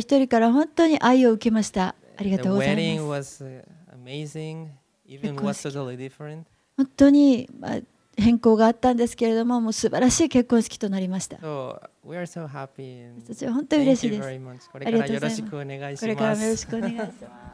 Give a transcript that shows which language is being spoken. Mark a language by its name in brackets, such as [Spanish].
[Japanese] 人から本当に愛を受けました。ありがとうございます。 [English] The wedding was amazing, even was totally different. [Japanese] 本当に変更があったんですけれども、もう素晴らしい結婚式となりました。 [English] We are so happy and [Japanese] 私たちは本当に嬉しいです。これからよろしくお願いします。これからもよろしくお願いします。